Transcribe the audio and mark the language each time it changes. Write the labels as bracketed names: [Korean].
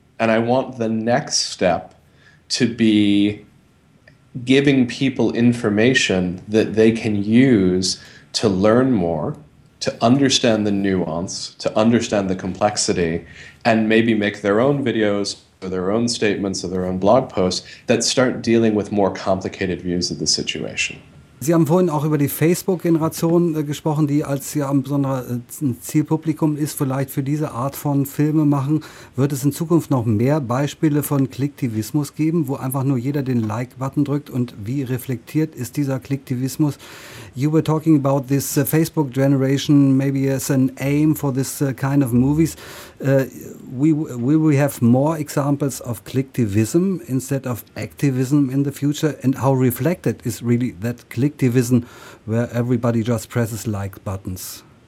[English] And I want the next step to be giving people information that they can use to learn more, to understand the nuance, to understand the complexity, and maybe make their own videos or their own statements or their own blog posts that start dealing with more complicated views of the situation. [German] Sie haben vorhin auch über die Facebook-Generation gesprochen, die als ja ein besonderes Zielpublikum ist, vielleicht für diese Art von Filme machen. Wird es in Zukunft noch mehr Beispiele von Klicktivismus geben, wo einfach nur jeder den Like-Button drückt? Und wie reflektiert ist dieser Klicktivismus? [English] You were talking about this Facebook generation, maybe as an aim for this kind of movies. Will we have more examples of clicktivism instead of activism in the future? And how reflected is really that clicktivism where everybody just presses like buttons?